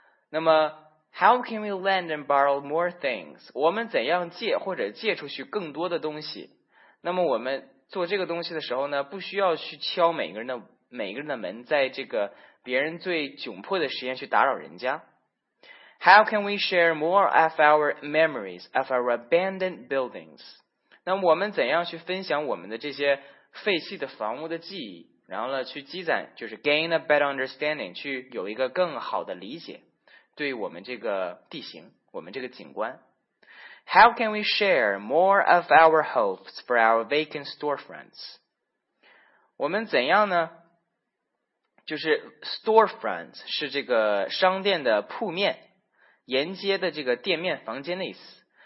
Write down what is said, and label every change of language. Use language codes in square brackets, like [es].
[en] 那么How can we lend and borrow more things? [zh] 我们怎样借或者借出去更多的东西？那么我们做这个东西的时候呢，不需要去敲每个人的门，在这个别人最窘迫的时间去打扰人家。 [en] How can we share more of our memories of our abandoned buildings? [zh] 那么我们怎样去分享我们的这些废弃的房屋的记忆，然后呢，去积攒，就是 [en] gain a better understanding， [zh] 去有一个更好的理解。对我们这个地形，我们这个景观。 [en] How can we share more of our hopes for our vacant storefronts? [zh] 我们怎样呢？就是 storefront 是这个商店的铺面，沿街的这个店面房间的意思。